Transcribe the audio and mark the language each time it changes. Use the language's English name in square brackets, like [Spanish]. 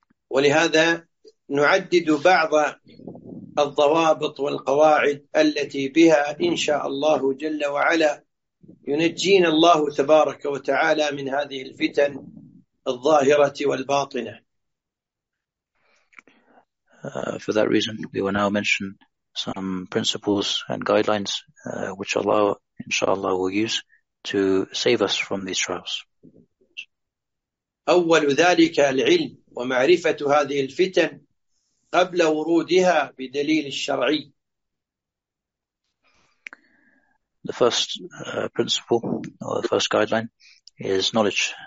[Arabic] ولهذا نعدد بعض الضوابط والقواعد التي بها إن شاء الله جل وعلا ينجينا الله تبارك وتعالى من هذه الفتن الظاهرة والباطنة. [English] For that reason, we will now mention some principles and guidelines which Allah, inshallah, will use to save us from these trials. [Arabic] أول ذلك العلم ومعرفة هذه الفتن قبل ورودها بدليل الشرعي. [English] The first principle, or the first guideline, is knowledge.